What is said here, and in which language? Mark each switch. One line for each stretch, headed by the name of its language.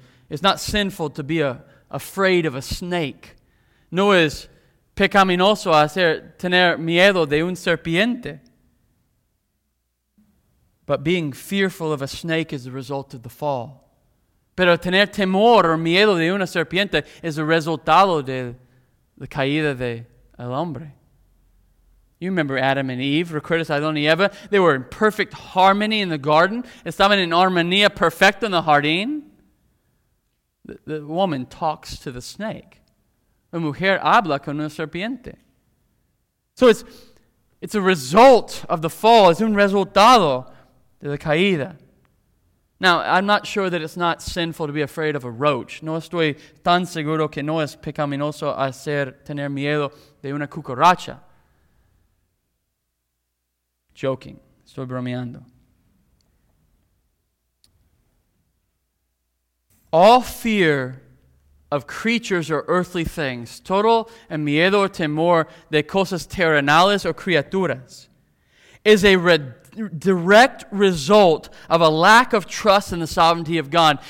English: It's not sinful to be afraid of a snake.
Spanish: No es pecaminoso tener miedo de un serpiente.
English: But being fearful of a snake is the result of the fall.
Spanish: Pero tener temor o miedo de una serpiente es el resultado de la caída del hombre.
English: You remember Adam and Eve were criticizing Adam and Eva. They were in perfect harmony in the garden.
Spanish: Estaban en armonía perfecta en el jardín.
English: The woman talks to the snake.
Spanish: La mujer habla con una serpiente.
English: So it's a result of the fall. It's
Spanish: un resultado de la caída.
English: Now, I'm not sure that it's not sinful to be afraid of a roach.
Spanish: No estoy tan seguro que no es pecaminoso tener miedo de una cucaracha.
English: Joking.
Spanish: Estoy bromeando.
English: All fear of creatures or earthly things,
Spanish: todo el miedo o temor de cosas terrenales o criaturas,
English: is a direct result of a lack of trust in the sovereignty of God.